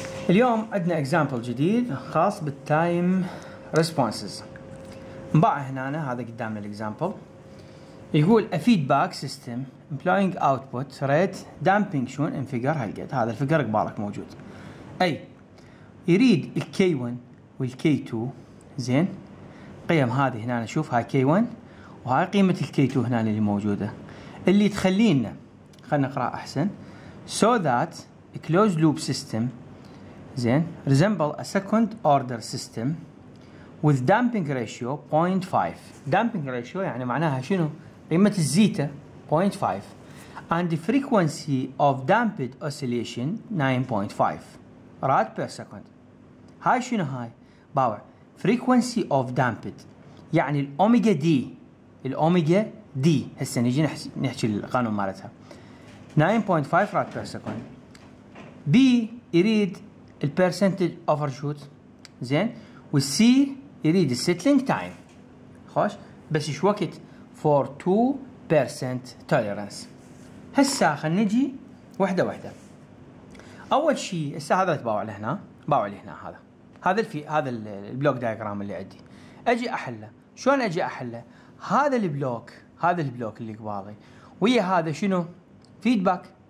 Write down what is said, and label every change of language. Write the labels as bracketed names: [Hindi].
[Arabic] اليوم عندنا اكزامبل جديد خاص بالتايم ريسبونسز. نباع هنا هذا قدامنا الاكزامبل. [English] يقول a feedback system employing output rate damping shown in figure هالقد. [Arabic] هذا الفيجر قبالك موجود. اي يريد ال K1 وال K2 زين. قيم هذه هنا نشوف هاي K1 وهاي قيمة ال K2 هنا اللي موجودة. اللي تخلينا خلنا نقرأ أحسن. [English] So that a closed loop system زين resemble a second order system with damping ratio 0.5. damping ratio يعني معناها شنو؟ قيمة الزيتا 0.5 and the frequency of damped oscillation 9.5 rad per second. [Arabic] هاي شنو هاي؟ باوع frequency of damped يعني الأوميجا دي. الأوميجا دي هسه نجي نحكي القانون مالتها 9.5 rad per second. B يريد ال percentage overshoot زين و C يريد settling time. خوش بس ايش وقت؟ for 2% tolerance. هسه خلينا نجي وحده وحده. اول شيء هسه هذا تباوع لهنا، باوع لهنا هذا. هذا الفي هذا البلوك دايجرام اللي عندي. اجي احله، شلون اجي احله؟ هذا البلوك، هذا البلوك اللي قبالي ويا هذا شنو؟ فيدباك.